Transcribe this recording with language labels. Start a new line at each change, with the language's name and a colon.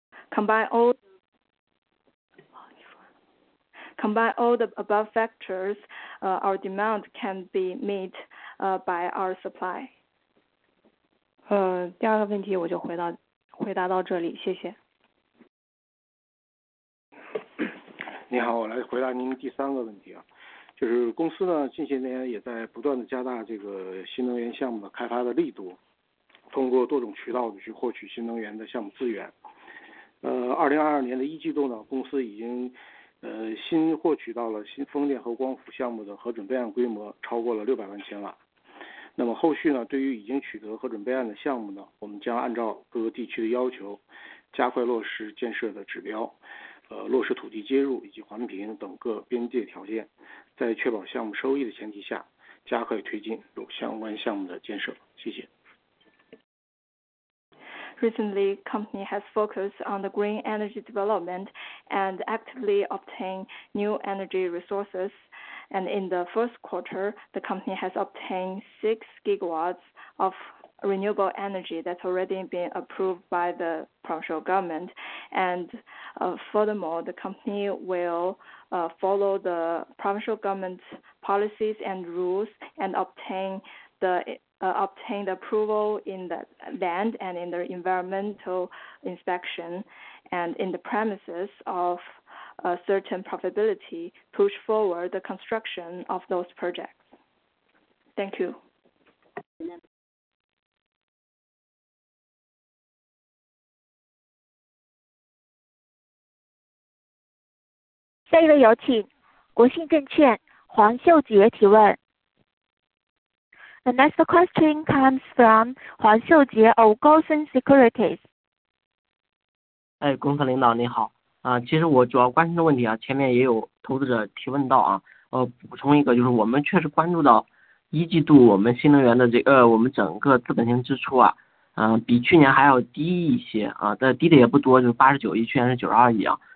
English: Combine all the above factors, our demand can be met by our supply.
Chinese: 第二个问题我就回答到这里，谢谢。你好，我来回答您第三个问题啊，就是公司呢近些年也在不断的加大这个新能源项目的开发的力度，通过多种渠道去获取新能源的项目资源。 2022年的一季度呢，公司已经新获取到了新风电和光伏项目的核准备案规模超过了600万千瓦。那么后续呢，对于已经取得核准备案的项目呢，我们将按照各个地区的要求，加快落实建设的指标，落实土地接入以及环评等各边界条件，在确保项目收益的前提下，加快推进有相关项目的建设。谢谢。
English: Recently, company has focused on the green energy development and actively obtained new energy resources. And in the first quarter, the company has obtained 6 gigawatts of renewable energy that's already been approved by the provincial government. And furthermore, the company will follow the provincial government's policies and rules and obtain the approval in the land and in the environmental inspection and in the premises of a certain profitability, push forward the construction of those projects. Thank you.
Chinese: 下一位有请国信证券黄秀杰提问。
English: The next question comes from 黄秀杰 of Goldman Securities.
Chinese: 哎，公司领导你好。其实我主要关心的问题啊，前面也有投资者提问到啊。补充一个，就是我们确实关注到一季度我们新能源的这个我们整个资本性支出啊，比去年还要低一些啊，但低的也不多，就是89亿，去年是92亿啊。